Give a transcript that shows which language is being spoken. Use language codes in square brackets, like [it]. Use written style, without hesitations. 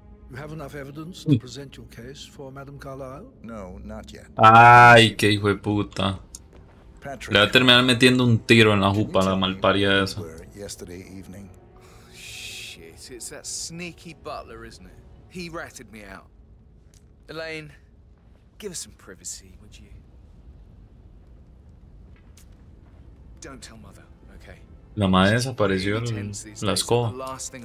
[en] You have enough evidence to present your case for Madame Carlyle? No, not yet. [es] Ay, qué hijo de puta. Patrick, le va a terminar metiendo un tiro en la jupa la malparía esa. [en] Yesterday evening. Oh, shit, it's that sneaky butler, isn't it? He ratted me out. Elaine, give us some privacy, would you? Don't tell mother, okay? [es] La madre desapareció, la escoba. The last thing